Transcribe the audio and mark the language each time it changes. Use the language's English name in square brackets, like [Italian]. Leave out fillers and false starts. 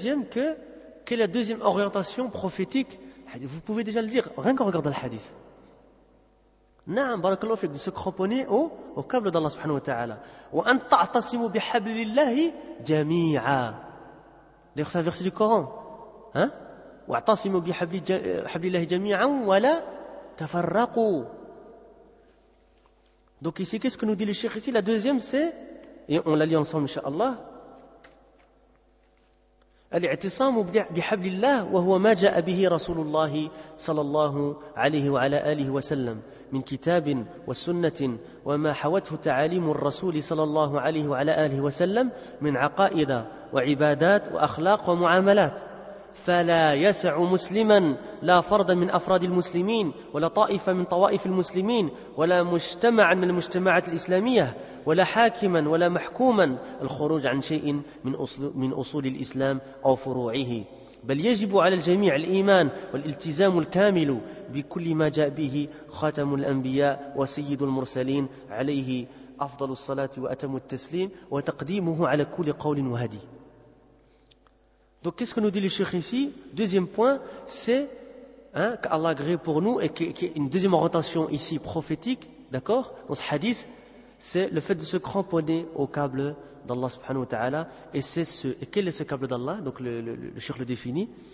[French] Quelle est la deuxième orientation prophétique? Vous pouvez déjà le dire, rien qu'en regardant le hadith. [Arabic] Na'am, barakallahu fik, [French] de se cramponner au câble d'Allah subhanahu wa ta'ala. [Arabic] Wa an ta'tasimu bihablillahi jami'a. [French] D'ailleurs, c'est un verset du Coran. Hein? [Arabic] واعتصموا بحبل الله جميعا ولا تفرقوا. [French] Donc ici, qu'est-ce que nous dit le cheikh ici? La deuxième, c'est, et on la lit ensemble inshallah, [Arabic] الاعتصام بحبل الله وهو ما جاء به رسول الله صلى الله عليه وعلى آله وسلم من كتاب وسنة وما حوته تعاليم الرسول صلى الله عليه وعلى آله وسلم من عقائد وعبادات وأخلاق ومعاملات. فلا يسع مسلما لا فردا من أفراد المسلمين ولا طائفة من طوائف المسلمين ولا مجتمعا من المجتمعات الإسلامية ولا حاكما ولا محكوما الخروج عن شيء من أصول الإسلام أو فروعه بل يجب على الجميع الإيمان والالتزام الكامل بكل ما جاء به خاتم الأنبياء وسيد المرسلين عليه أفضل الصلاة وأتم التسليم وتقديمه على كل قول وهدي. [French] Donc qu'est-ce que nous dit le cheikh ici? Deuxième point, c'est hein, qu'Allah agrée pour nous, et qu'il y ait une deuxième orientation ici prophétique, d'accord, dans ce hadith, c'est le fait de se cramponner au câble d'Allah subhanahu wa ta'ala. Et quel est ce câble d'Allah? Donc le cheikh le définit.